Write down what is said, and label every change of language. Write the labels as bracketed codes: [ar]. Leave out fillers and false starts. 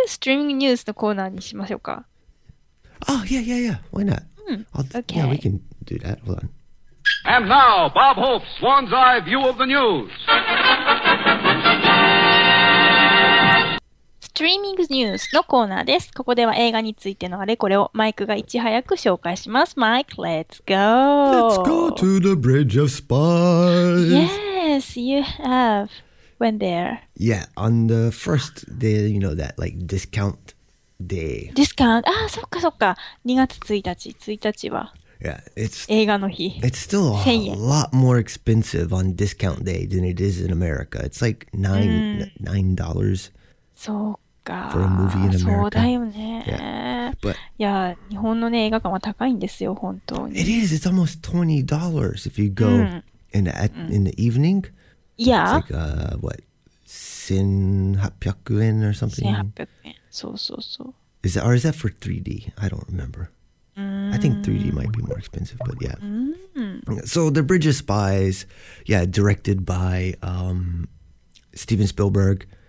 [ja] ストリーミングニュースのコーナーにしましょうか。 [en] Oh, yeah, yeah, yeah. Why not? Okay. Yeah, we can do that. Hold on. And now, Bob Hope's Swan's Eye View of the News. [ja] ストリーミングニュースのコーナーです。ここでは映画についてのあれこれをマイクがいち早く紹介します。 [en] マイク、Let's go! Let's go to the Bridge of Spies! Yes, you have went there. Yeah, on the first day, you know, that like discount day. [ja] Discount? ああ、そっかそっか。2月1日、1日は。 [en] Yeah, it's [ja] 映画の日 [en] It's still a lot more expensive on discount day than it is in America. It's like $9. [ja] そうか。 [en] For a movie in America. [ja] そうだよね。 [en] Yeah. But, [ja] いや、日本のね、映画館は高いんですよ、本当に。 [en] It is. It's almost $20 if you go、うん、in the evening. Yeah. It's like, $1,800 or something. [ja] 1800円。そうそうそう。 [en] Is that, or is that for 3D? I don't remember. I think 3D might be more expensive, but yeah. So The Bridge of Spies, yeah, directed by Steven Spielberg.